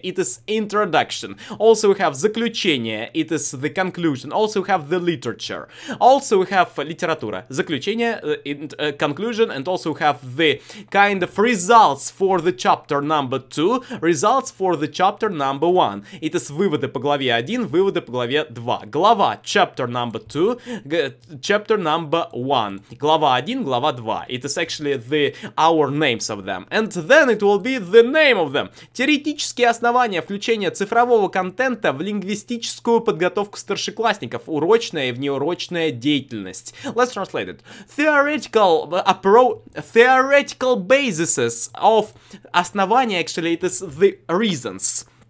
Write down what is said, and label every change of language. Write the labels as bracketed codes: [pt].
[en] It is introduction. Also, we have [ru] заключение. [en] It is the conclusion. Also, we have the literature. Also, we have [ru] литература. Заключение, [en] conclusion, and also we have the kind of results for the chapter number two. Results for the chapter number one. It is [ru] выводы по главе один, выводы по главе два. Глава, [en] chapter number two, chapter number one. [ru] Глава один, глава два. [en] It is actually our names of them. And then it will be the name of them. [ru] Теоретические основания включения цифрового контента в лингвистическую подготовку старшеклассников. Урочная и внеурочная деятельность. [en] Let's translate it. Theoretical basis of [ru] основания, [en] actually, it is the reasons.